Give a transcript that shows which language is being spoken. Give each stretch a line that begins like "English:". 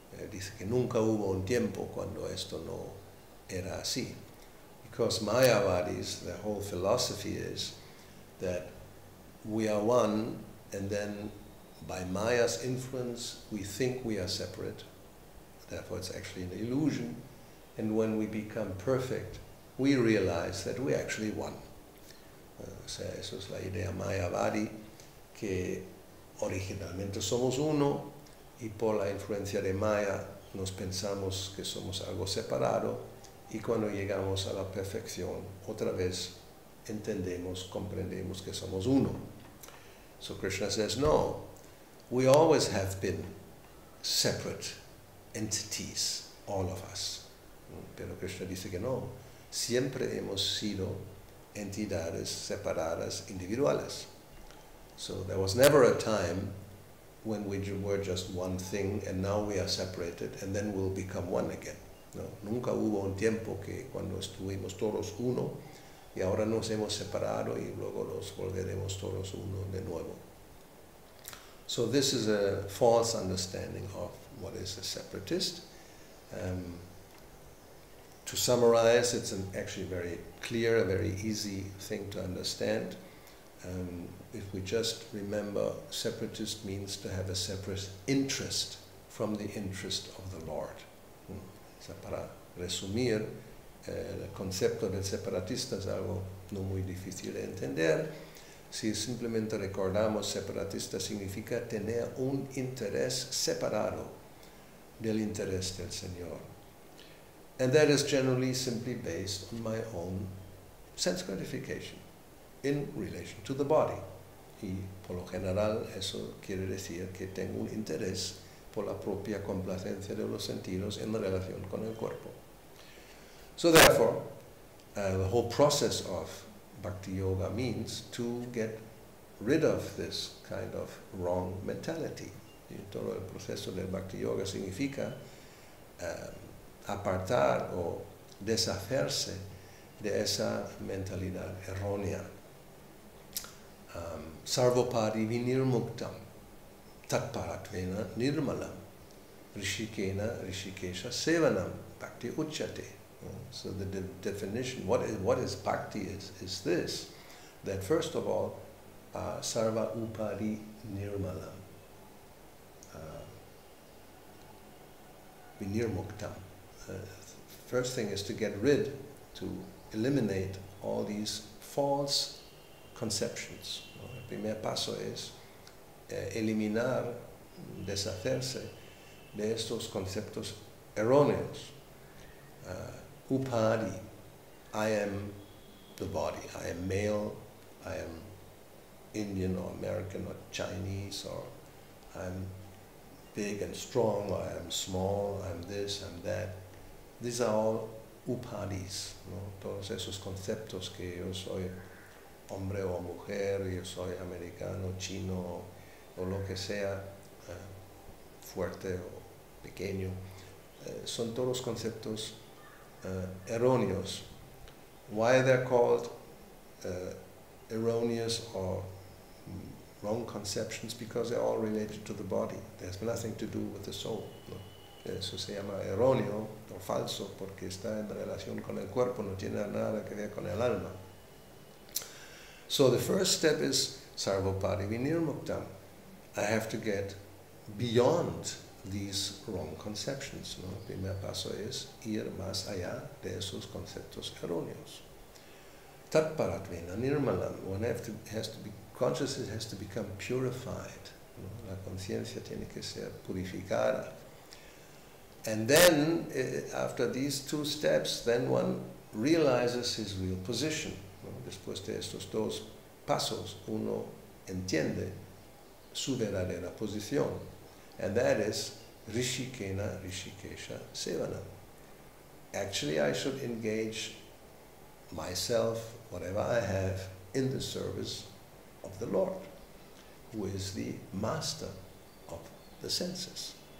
Spanish: Dice que nunca hubo un tiempo cuando esto no era así.
English: Because Mayavadis, the whole philosophy is that we are one, and then by Maya's influence, we think we are separate. Therefore, it's actually an illusion. And when we become perfect, we realize that we're actually one.
Spanish: O sea, eso es la idea Mayavadi, que originalmente somos uno, y por la influencia de Maya nos pensamos que somos algo separado, y cuando llegamos a la perfección, otra vez entendemos, comprendemos que somos uno.
English: So Krishna says, no, we always have been separate entities, all of us.
Spanish: Pero Krishna dice que no, siempre hemos sido entidades separadas, individuales.
English: So there was never a time when we were just one thing and now we are separated and then we'll become one again.
Spanish: No, nunca hubo un tiempo que cuando estuvimos todos uno y ahora nos hemos separado y luego nos volveremos todos uno de nuevo.
English: So this is a false understanding of what is a separatist. To summarize, it's actually very clear, a very easy thing to understand. If we just remember, separatist means to have a separate interest from the interest of the Lord.
Spanish: Para resumir, el concepto del separatista es algo no muy difícil de entender. Si simplemente recordamos, separatista significa tener un interés separado del interés del Señor.
English: And that is generally simply based on my own sense gratification in relation to the body.
Spanish: Y por lo general eso quiere decir que tengo un interés por la propia complacencia de los sentidos en relación con el cuerpo.
English: So therefore, the whole process of Bhakti Yoga means to get rid of this kind of wrong mentality.
Spanish: Y todo el proceso del Bhakti Yoga significa apartar o deshacerse de esa mentalidad errónea.
Sanskrit: Sarvopadi vinirmuktam, takparatvena nirmalam, rishikena rishikesha sevanam, bhakti uchate.
English: So the definition, what is bhakti is this, that first of all,
Sanskrit: sarva upadi nirmalam, vinirmuktam.
English: First thing is to get rid, to eliminate all these false conceptions.
Spanish: El primer paso es eliminar, deshacerse de estos conceptos erróneos.
English: Upadi, I am the body, I am male, I am Indian or American or Chinese, or I'm big and strong, or I'm small, I'm this, I'm that. These are all upadis, ¿no?
Spanish: Todos esos conceptos que yo soy hombre o mujer, yo soy americano, chino, o lo que sea, fuerte o pequeño, son todos conceptos erróneos.
English: Why they're called erroneous or wrong conceptions? Because they're all related to the body. There's nothing to do with the soul, ¿no?
Spanish: Eso se llama erróneo o falso porque está en relación con el cuerpo, no tiene nada que ver con el alma.
English: So the first step is
Sanskrit: sarvopadi vinirmuktam.
English: I have to get beyond these wrong conceptions.
Spanish: ¿No? El primer paso es ir más allá de esos conceptos erróneos.
Sanskrit: Tatparatvena nirmalam.
English: One has to be consciousness has to become purified.
Spanish: ¿No? La conciencia tiene que ser purificada.
English: And then, after these two steps, then one realizes his real position.
Spanish: ¿No? Después de estos dos pasos, uno entiende su verdadera posición.
English: And that is
Sanskrit: Rishikena Rishikesha Sevana.
English: Actually, I should engage myself, whatever I have, in the service of the Lord, who is the master of the senses.